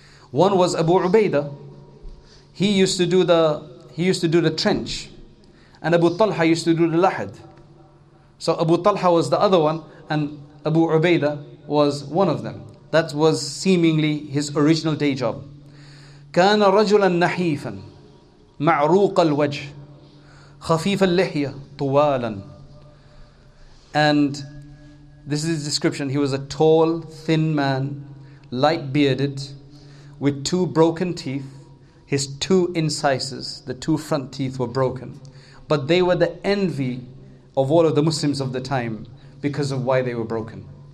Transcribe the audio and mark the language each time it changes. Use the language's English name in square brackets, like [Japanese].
[English] One was Abu Ubaidah. He used to do the trench. And Abu Talha used to do the lahad. So Abu Talha was the other one and Abu Ubaidah was one of them. That was seemingly his original day job. [Arabic] كان رجلا نحيفا معروق الوجه خفيف اللحية طوالا. [English] And this is his description. He was a tall, thin man, light bearded, with two broken teeth. His two incisors, the two front teeth, were broken. But they were the envy of all of the Muslims of the time because of why they were broken.